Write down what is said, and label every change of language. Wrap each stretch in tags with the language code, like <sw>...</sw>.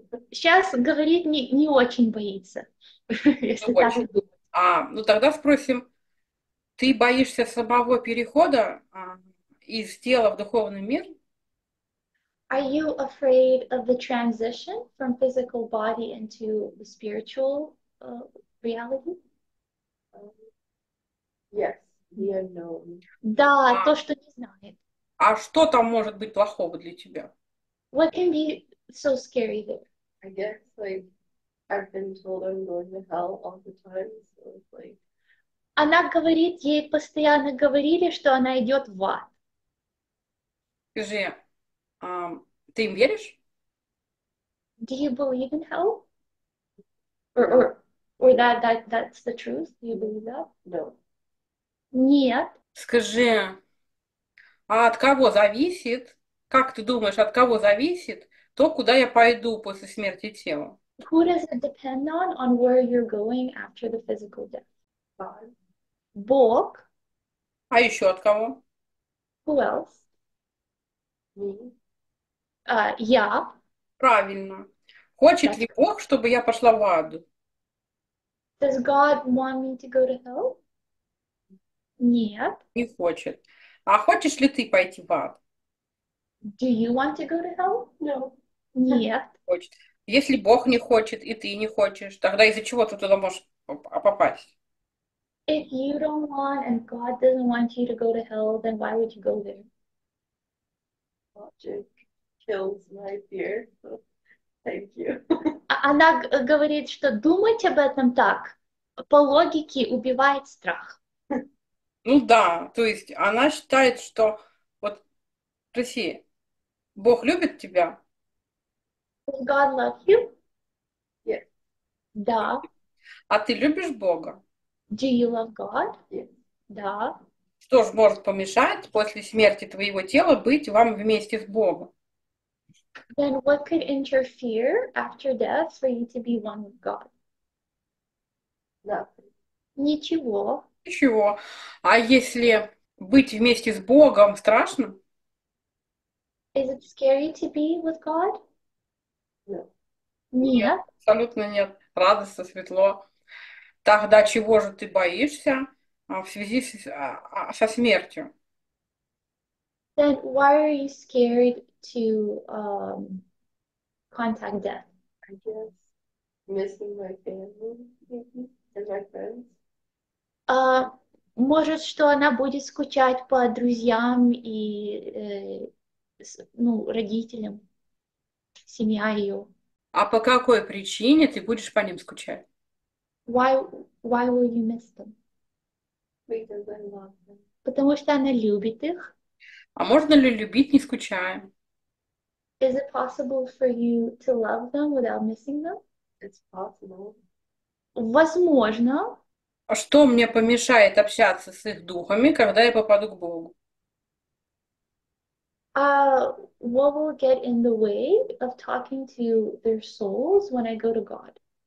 <ru>Сейчас говорит не очень боится, Ну, если так очень. думать. А, ну тогда спросим, ты боишься самого перехода, из тела в духовный мир?</ru> <en>Are you afraid of the transition from physical body into the spiritual, reality? Yes, the unknown.</en> <ru>Да, то, что не знает. А что там может быть плохого для тебя?</ru> <en>What can be so scary there? I guess like I've been told I'm going to hell all the time, so it's like</en> <ru>Она говорит, ей постоянно говорили, что она идет в ад. скажи, ты им веришь?</ru> <en>Do you believe in hell? Or that's the truth? Do you believe that? No.</en> <ru>Нет. Скажи, а от кого зависит, как ты думаешь, от кого зависит то, куда я пойду после смерти тела?</ru> <en>Who does it depend on where you're going after the physical death? God.</en> <ru>Бог. А еще от кого?</ru> <en>Who else? Me.</en> <ru>Я. Правильно. Хочет</ru> <en>That's</en> <ru>ли</ru> <en>correct.</en> <ru>Бог, чтобы я пошла в аду?</ru> <en>Does God want me to go to hell?</en> <ru>Нет. Не хочет. А хочешь ли ты пойти в ад?</ru> <en>Do you want to go to hell? No.</en> <ru>Нет. Хочет. Если Бог не хочет, и ты не хочешь, тогда из-за чего ты туда можешь попасть?</ru> <en>If you don't want and God doesn't want you to go to hell, then why would you go there? Logic kills my fear. Thank you.</en> <ru>Она говорит, что думать об этом так, по логике, убивает страх. Ну да, то есть она считает, что вот, спроси, Бог любит тебя?</ru> <en>Does God love you?</en> <ru>Да. А ты любишь Бога?</ru> <en>Do you love God?</en> <ru>Да. Что же может помешать после смерти твоего тела быть вам вместе с Богом?</ru> <en>Then what could interfere after death for you to be one with God? Nothing.</en> <ru>Ничего. Ничего. А если быть вместе с Богом страшно?</ru> <en>Is it scary to be with God? No.</en> <ru>Нет. Нет, абсолютно нет. Радостно, светло. Тогда чего же ты боишься в связи со смертью?</ru> <en>Then why are you scared to contact death? I guess missing my family, maybe, and my friends.</en> <ru>Может, что она будет скучать по друзьям и, ну, родителям, семья ее. А по какой причине ты будешь по ним скучать?</ru> <en>Why will you miss them? Because I love them.</en> <ru>Потому что она любит их. А можно ли любить, не скучая?</ru> <en>Is it possible for you to love them without missing them? It's possible.</en> <ru>Возможно. А что мне помешает общаться с их духами, когда я попаду к Богу?</ru> <en>What will get in the way of talking to their souls when I go to God?</en>